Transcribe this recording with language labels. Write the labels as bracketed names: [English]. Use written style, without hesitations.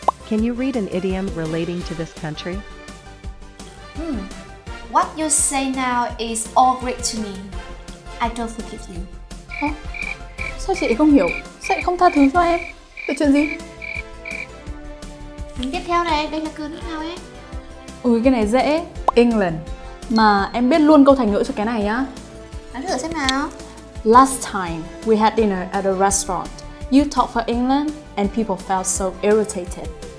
[English] Can you read an idiom relating to this country? What you say now is all Greek to me. I don't forgive you. [Vietnamese] Sao chị không hiểu? Sao chị không tha thứ cho em? Từ chuyện gì? Cứ tiếp theo này, đây là cứ nước nào em? Ui, cái này dễ. England. Mà em biết luôn câu thành ngữ cho cái này nhá. Đoán thử xem nào. [English] Last time we had dinner at a restaurant, you talked for England and people felt so irritated.